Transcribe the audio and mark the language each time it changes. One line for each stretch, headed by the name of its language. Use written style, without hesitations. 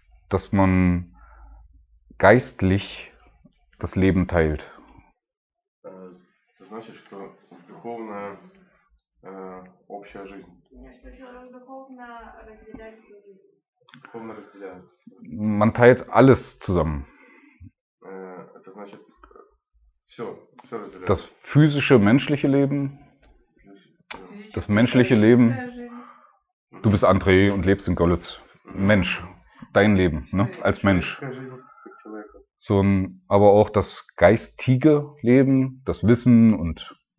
German: Dass man geistlich das Leben teilt. Das
Russian: значит, что духовная общая жизнь. Духовно разделяет.
German: Man teilt alles zusammen. Das
Russian: значит, все разделяет.
German: Das physische, menschliche Leben. Das menschliche Leben. Du bist André und lebst in Görlitz. Mensch, dein Leben, ne? Als Mensch. So, aber auch das geistige Leben, das Wissen und.